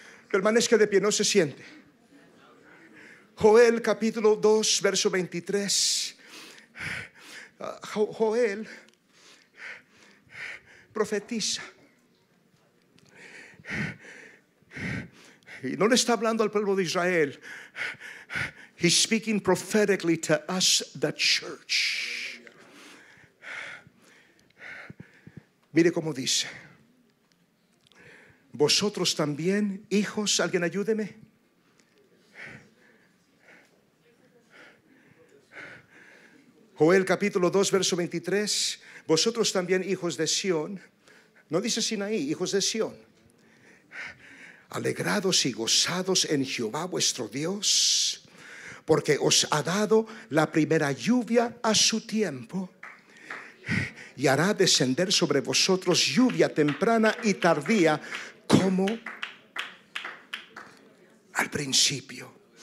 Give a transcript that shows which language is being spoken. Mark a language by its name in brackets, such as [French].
[Spanish] Permanezca de pie, no se siente. Joel capítulo 2, verso 23. Joel profetiza. Y no le está hablando al pueblo de Israel. [English] He's speaking prophetically to us, the church. [Spanish] Mire cómo dice: vosotros también, hijos, alguien ayúdeme. Joel capítulo 2, verso 23. Vosotros también, hijos de Sión, no dice Sinaí, hijos de Sión, alegrados y gozados en Jehová vuestro Dios, porque os ha dado la primera lluvia a su tiempo, y hará descender sobre vosotros lluvia temprana y tardía, como al principio.